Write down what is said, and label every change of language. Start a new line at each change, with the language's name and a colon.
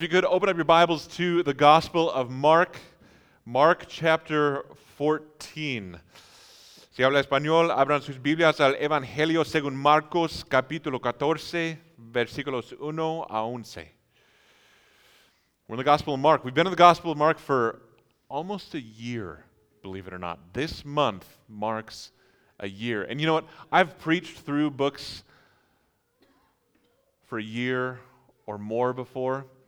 English: If you could open up your Bibles to the Gospel of Mark, Mark chapter 14.
Spanish: Si habla español, abran sus Biblias al Evangelio según Marcos, capítulo 14, versículos 1 a 11.
English: We're in the Gospel of Mark. We've been in the Gospel of Mark for almost a year, believe it or not. This month marks a year. And you know what? I've preached through books for a year or more before.